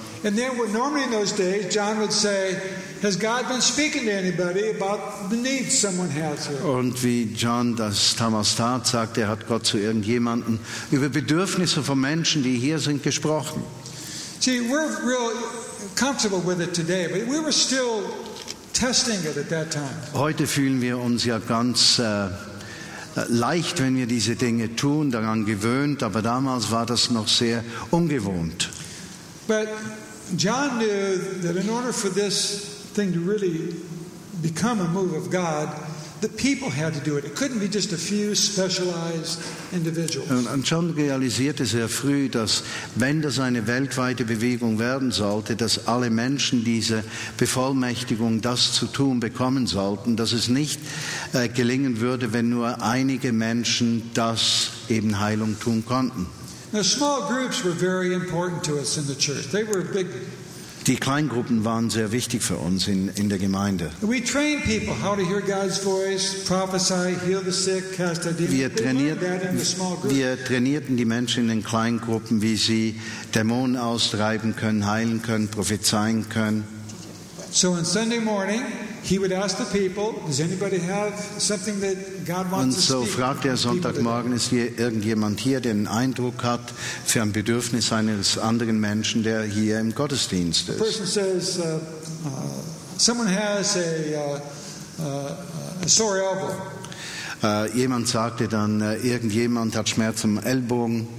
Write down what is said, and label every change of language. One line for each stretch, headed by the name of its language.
English: And then, normally in those days, John would say, Has God been speaking to anybody about the need someone has here?
German: Und wie John das damals tat, sagte, hat Gott zu irgendjemanden über Bedürfnisse von Menschen, die hier sind, gesprochen.
English: See, we're real comfortable with it today, but we were still testing it at that time.
German: Heute fühlen wir uns ja ganz leicht, wenn wir diese Dinge tun, daran gewöhnt, aber damals war das noch sehr ungewohnt.
English: But John knew that in order for this thing to really become a move of God, the people had to do it. It couldn't be just a few specialized individuals.
German: Und John realisierte sehr früh, dass wenn das eine weltweite Bewegung werden sollte, dass alle Menschen diese Bevollmächtigung, das zu tun, bekommen sollten, dass es nicht gelingen würde, wenn nur einige Menschen das eben Heilung tun konnten.
English: Now, small groups were very important to us in the church. They were a big.
German: Die Kleingruppen waren sehr wichtig für uns in der Gemeinde.
English: We trained people how to hear God's voice, prophesy, heal the sick, cast out demons.
German: Wir trainierten die Menschen in den Kleingruppen, wie sie Dämonen austreiben können, heilen können, prophezeien können.
English: So on Sunday morning, he would ask the people, does anybody have something that God wants to speak?
German: Und so fragte er Sonntagmorgen, ist hier irgendjemand hier, der einen Eindruck hat für ein Bedürfnis eines anderen Menschen, der hier im Gottesdienst ist.
English: The person says, someone has a sore elbow.
German: Jemand sagte dann, irgendjemand hat Schmerzen im Ellbogen.